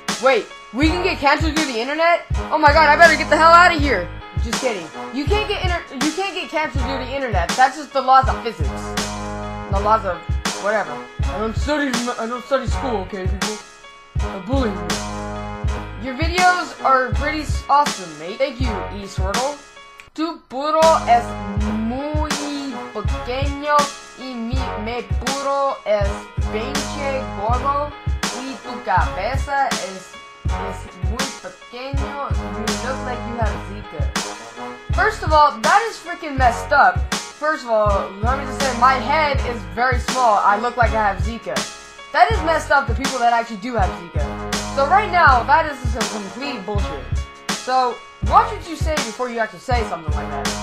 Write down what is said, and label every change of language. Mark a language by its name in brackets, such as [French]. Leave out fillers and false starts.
[English] Wait, we can get cancer through the internet? Oh my god, I better get the hell out of here. Just kidding. You can't get cancer through the internet. That's just the laws of physics. The laws of whatever. I don't study school, okay, people? I bully you. Your videos are pretty awesome, mate. Thank you, E-Swirtle. [Spanish] Tu puro es muy pequeño y mi puro es pinche gordo y tu cabeza es muy pequeño. [English] You look like you have Zika. First of all, that is freaking messed up. First of all, let me just say, my head is very small. I look like I have Zika. That is messed up, the people that actually do have Zika. So right now, that is just a complete bullshit. So, watch what you say before you actually say something like that.